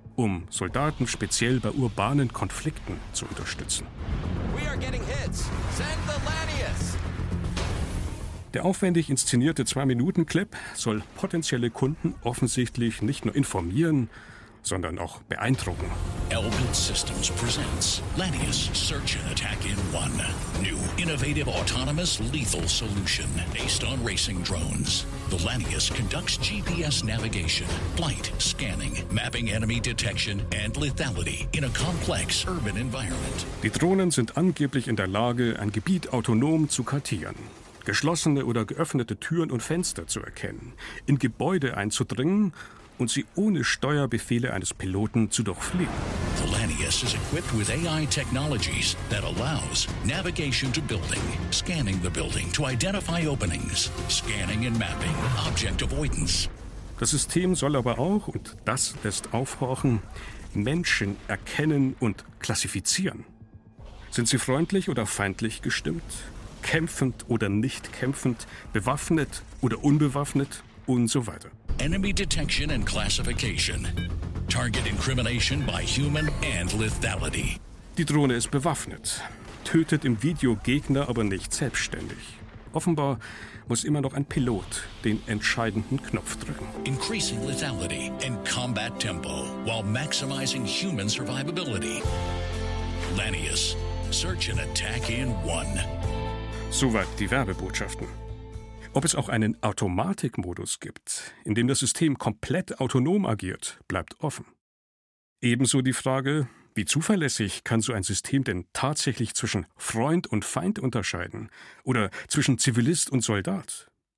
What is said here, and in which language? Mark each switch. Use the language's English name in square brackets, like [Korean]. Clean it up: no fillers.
[German] um Soldaten speziell bei urbanen Konflikten zu unterstützen. [English] We are getting hits. Send the Lanius. [German] Der aufwendig inszenierte 2-Minuten-Clip soll potenzielle Kunden offensichtlich nicht nur informieren, sondern auch beeindrucken. [English] Elbit Systems presents Lanius Search and Attack in One. New innovative autonomous lethal solution based on racing drones. The Lanius conducts GPS navigation, flight, scanning, mapping enemy detection and lethality in a complex urban environment. [German] Die Drohnen sind angeblich in der Lage, ein Gebiet autonom zu kartieren, geschlossene oder geöffnete Türen und Fenster zu erkennen, in Gebäude einzudringen und sie ohne Steuerbefehle eines Piloten zu durchfliegen. [English] The Lanius is equipped with AI technologies that allows navigation to building, scanning the building to identify openings, scanning and mapping, object avoidance. [German] Das System soll aber auch, und das lässt aufhorchen, Menschen erkennen und klassifizieren. Sind sie freundlich oder feindlich gestimmt? Kämpfend oder nicht kämpfend, bewaffnet oder unbewaffnet und so weiter. [English] Enemy detection and classification. Target incrimination by human and lethality. [German] Die Drohne ist bewaffnet, tötet im Video Gegner aber nicht selbstständig. Offenbar muss immer noch ein Pilot den entscheidenden Knopf drücken. [English] Increasing lethality and combat tempo while maximizing human survivability. Lanius, search and attack in one. [German] Soweit die Werbebotschaften. Ob es auch einen Automatikmodus gibt, in dem das System komplett autonom agiert, bleibt offen. Ebenso die Frage, wie zuverlässig kann so ein System denn tatsächlich zwischen Freund und Feind unterscheiden oder zwischen Zivilist und Soldat?